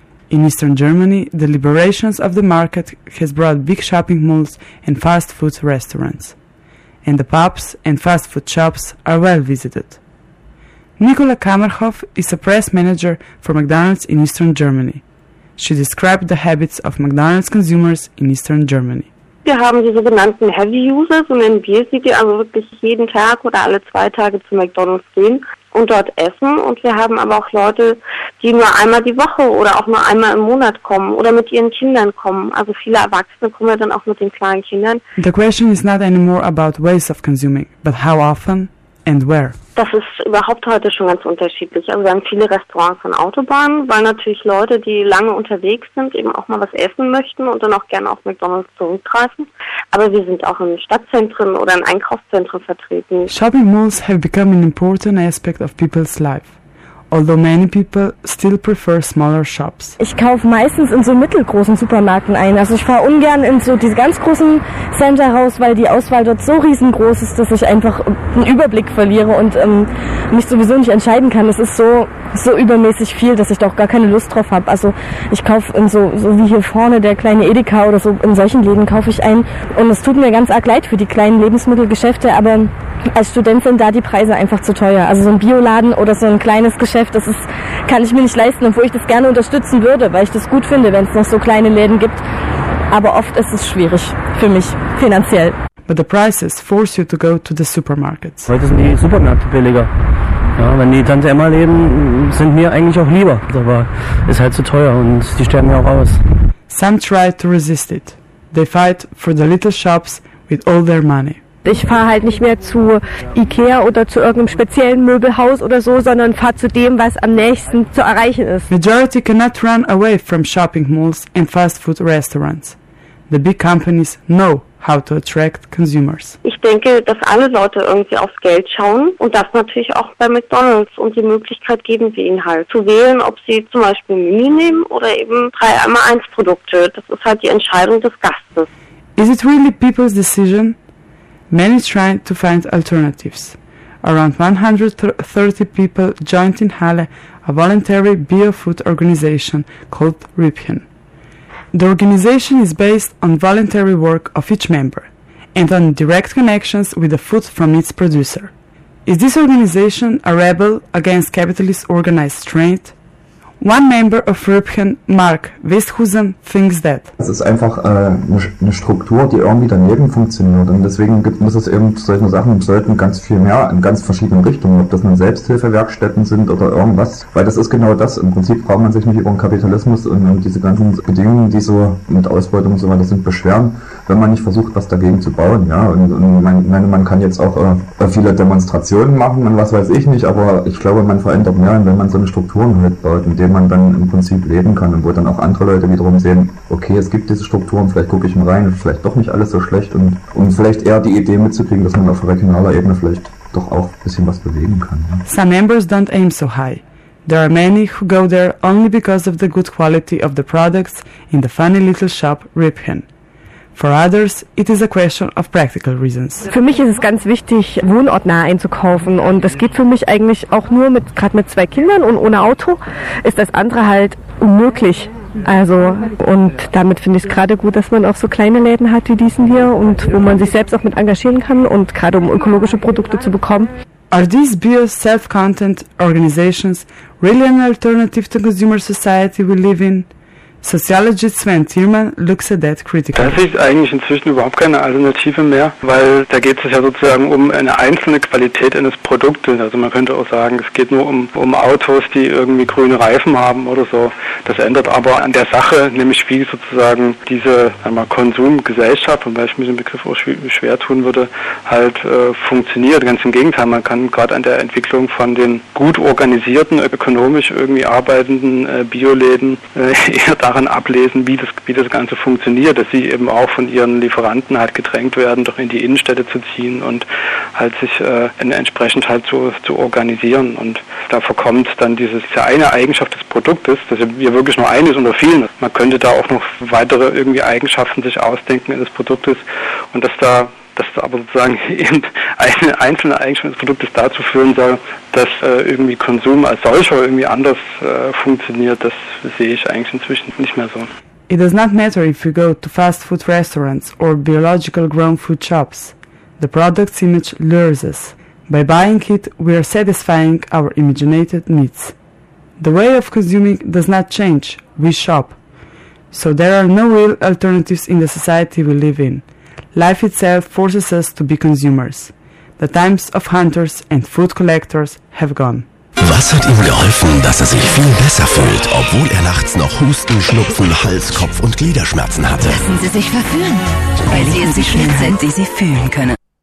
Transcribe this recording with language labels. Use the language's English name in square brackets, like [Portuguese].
[English] In Eastern Germany, the liberations of the market has brought big shopping malls and fast food restaurants. And the pubs and fast food shops are well visited. Nicola Kammerhoff is a press manager for McDonald's in Eastern Germany. She described the habits of McDonald's consumers in Eastern Germany. [German] Wir haben die sogenannten Heavy Users, und nennen wir sie, die also wirklich jeden Tag oder alle zwei Tage zu McDonald's gehen und dort essen. Und wir haben aber auch Leute, die nur einmal die Woche oder auch nur einmal im Monat kommen oder mit ihren Kindern kommen. Also viele Erwachsene kommen ja dann auch mit den kleinen Kindern. [English] The question is not anymore about ways of consuming, but how often and where. [German] Das ist überhaupt heute schon ganz unterschiedlich. Also wir haben viele Restaurants an Autobahnen, weil natürlich Leute, die lange unterwegs sind, eben auch mal was essen möchten und dann auch gerne auf McDonald's zurückgreifen. Aber wir sind auch in Stadtzentren oder in Einkaufszentren vertreten. [English] Shopping malls have become an important aspect of people's life. Although many people still prefer smaller shops. [German] Ich kaufe meistens in so mittelgroßen Supermärkten ein. Also ich fahre ungern in so diese ganz großen Center raus, weil die Auswahl dort so riesengroß ist, dass ich einfach einen Überblick verliere und mich sowieso nicht entscheiden kann. Es ist so übermäßig viel, dass ich da auch gar keine Lust drauf habe. Also ich kaufe in so wie hier vorne der kleine Edeka oder so, in solchen Läden kaufe ich ein. Und es tut mir ganz arg leid für die kleinen Lebensmittelgeschäfte, aber als Student sind da die Preise einfach zu teuer. Also so ein Bioladen oder so ein kleines Geschäft, das ist, kann ich mir nicht leisten, obwohl ich das gerne unterstützen würde, weil ich das gut finde, wenn es noch so kleine Läden gibt. Aber oft ist es schwierig für mich finanziell. [English] But the prices force you to go to the supermarkets. [German] Heute sind die Supermärkte billiger. Ja, wenn die Tante Emma leben, sind mir eigentlich auch lieber. Aber ist halt zu teuer und die sterben ja auch aus. [English] Some try to resist it. They fight for the little shops with all their money. [German] Ich fahre halt nicht mehr zu IKEA oder zu irgendeinem speziellen Möbelhaus oder so, sondern fahre zu dem, was am nächsten zu erreichen ist. [English] Majority cannot run away from shopping malls and fast food restaurants. The big companies know how to attract consumers. [German] Ich denke, dass alle Leute irgendwie aufs Geld schauen und das natürlich auch bei McDonald's und die Möglichkeit geben sie ihnen halt zu wählen, ob sie zum Beispiel Menü nehmen oder eben 3x1 Produkte. Das ist halt die Entscheidung des Gastes. [English] Is it really people's decision? Many try to find alternatives. Around 130 people joined in Halle a voluntary biofood organization called Rippchen. The organization is based on voluntary work of each member and on direct connections with the food from its producer. Is this organization a rebel against capitalist organized trade? One member of Rippchen, Mark Westhusen, thinks that. [German] Es ist einfach eine Struktur, die irgendwie daneben funktioniert. Und deswegen muss es eben solche Sachen, sollten ganz viel mehr in ganz verschiedenen Richtungen, ob das nun Selbsthilfewerkstätten sind oder irgendwas. Weil das ist genau das. Im Prinzip braucht man sich nicht über den Kapitalismus und diese ganzen Bedingungen, die so mit Ausbeutung und so weiter sind, beschweren, wenn man nicht versucht, was dagegen zu bauen. Ja, und man kann jetzt auch viele Demonstrationen machen und was weiß ich nicht, aber ich glaube, man verändert mehr, wenn man so eine Strukturen halt baut, in denen man dann im Prinzip leben kann und wo dann auch andere Leute wiederum sehen, okay, es gibt diese Strukturen, vielleicht gucke ich mal rein, vielleicht doch nicht alles so schlecht, und um vielleicht eher die Idee mitzukriegen, dass man auf regionaler Ebene vielleicht doch auch ein bisschen was bewegen kann. Ja. [English] Some members don't aim so high. There are many who go there only because of the good quality of the products in the funny little shop Rippchen. For others, it is a question of practical reasons. [German] Für mich ist es ganz wichtig, wohnortnah einzukaufen. Und das geht für mich eigentlich auch nur gerade mit zwei Kindern und ohne Auto, ist das andere halt unmöglich. Also, und damit finde ich es gerade gut, dass man auch so kleine Läden hat wie diesen hier und wo man sich selbst auch mit engagieren kann und gerade um ökologische Produkte zu bekommen. [English] Are these beer self-content organizations really an alternative to consumer society we live in? Sociologist Sven Thielmann looks at that critically. [German] Das ist eigentlich inzwischen überhaupt keine Alternative mehr, weil da geht es ja sozusagen um eine einzelne Qualität eines Produktes. Also man könnte auch sagen, es geht nur um Autos, die irgendwie grüne Reifen haben oder so. Das ändert aber an der Sache, nämlich wie sozusagen diese Konsumgesellschaft, wobei ich mir den Begriff auch schwer tun würde, halt funktioniert. Ganz im Gegenteil, man kann gerade an der Entwicklung von den gut organisierten, ökonomisch irgendwie arbeitenden Bioläden daran ablesen, wie das Ganze funktioniert, dass sie eben auch von ihren Lieferanten halt gedrängt werden, doch in die Innenstädte zu ziehen und halt sich entsprechend halt zu organisieren. Und da verkommt dann diese eine Eigenschaft des Produktes, das ja wirklich nur eine ist unter vielen. Man könnte da auch noch weitere irgendwie Eigenschaften sich ausdenken in des Produktes und dass da aber sozusagen eben eine einzelne Eigenschaft des Produktes dazu führen soll, dass irgendwie Konsum als solcher irgendwie anders funktioniert, das sehe ich eigentlich inzwischen nicht mehr so. [English] It does not matter if you go to fast food restaurants or biological grown food shops. The product's image lures us. By buying it, we are satisfying our imaginated needs. The way of consuming does not change. We shop. So there are no real alternatives in the society we live in. Life itself forces us to be consumers. The times of hunters and food collectors have gone. [German] Was hat ihm geholfen, dass er sich viel besser fühlt, obwohl er nachts noch Husten, Schnupfen, Hals, Kopf und Gliederschmerzen hatte? Lassen Sie sich verführen, weil Sie in sich fühlen sind, die Sie fühlen können.